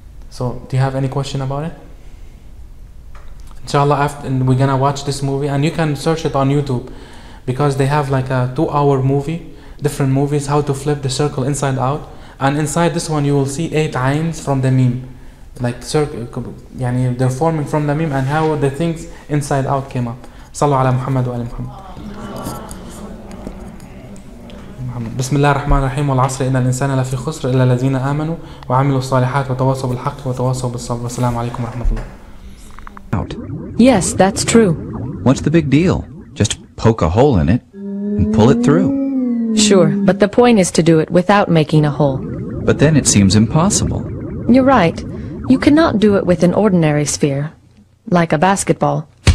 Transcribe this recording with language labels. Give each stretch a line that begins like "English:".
English: So do you have any question about it? Inshallah, and we're gonna watch this movie, and you can search it on YouTube, because they have like a 2-hour movie, different movies, how to flip the circle inside out. And inside this one, you will see 8 ayns from the meme, like circle, yani they're forming from the meme, and how the things inside out came up. Sallu ala Muhammad wa ala Muhammad.
Arabic: بسم الله الرحمن الرحيم والعصر إن الإنسان لفي خسر إلا الذين آمنوا وعملوا الصالحات وتواصوا بالحق وتواصوا بالصبر. السلام عليكم ورحمة الله.
English: Out. Yes, that's true. What's the big deal? Just poke a hole in it and pull it through. Sure, but the point is to do it without making a hole. But then it seems impossible. You're right. You cannot do it with an ordinary sphere, like a basketball.